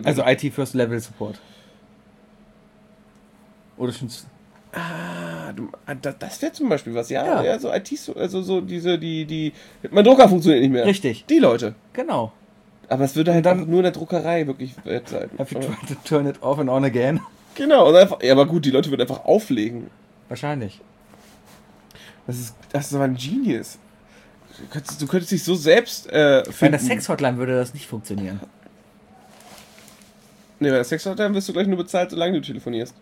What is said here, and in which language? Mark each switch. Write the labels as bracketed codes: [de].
[de] will. Also IT First Level Support. Oder schon. Ah, das wäre zum Beispiel was, ja, so IT, also so diese, die, mein Drucker funktioniert nicht mehr. Richtig. Die Leute. Genau. Aber es würde halt dann nur in der Druckerei wirklich wert sein. [en] Have you tried to turn it off and on again? [de] Genau, und einfach, ja, aber gut, die Leute würden einfach auflegen. Wahrscheinlich. Das ist aber ein Genius. Du könntest dich so selbst finden. Bei der Sex-Hotline würde das nicht funktionieren. Nee, bei der Sex-Hotline wirst du gleich nur bezahlt, solange du telefonierst.